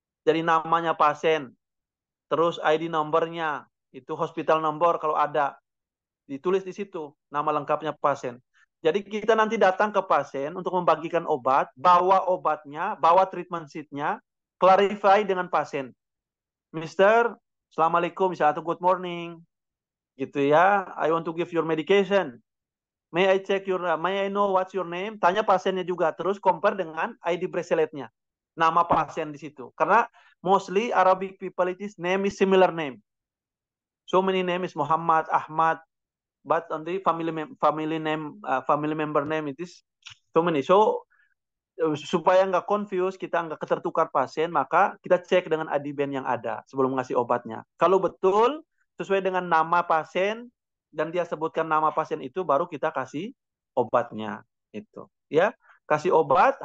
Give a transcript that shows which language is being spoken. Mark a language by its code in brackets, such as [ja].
[id] Jadi namanya pasien, terus ID number-nya, itu hospital number kalau ada ditulis di situ nama lengkapnya pasien. Jadi kita nanti datang ke pasien untuk membagikan obat, bawa obatnya, bawa treatment sheet-nya, clarify dengan pasien. Mister, assalamualaikum, misalnya atau [en] good morning. [id] Gitu ya, [en] I want to give your medication. May I know what's your name? [id] Tanya pasiennya juga. Terus compare dengan ID bracelet-nya. Nama pasien di situ. Karena [en] mostly Arabic people, it is name is similar name. So many name is Muhammad, Ahmad. But on the family member name, it is so many. [id] So, supaya nggak confuse, kita nggak ketertukar pasien, maka kita cek dengan ID band yang ada sebelum ngasih obatnya. Kalau betul, sesuai dengan nama pasien, dan dia sebutkan nama pasien itu, baru kita kasih obatnya itu, ya, kasih obat.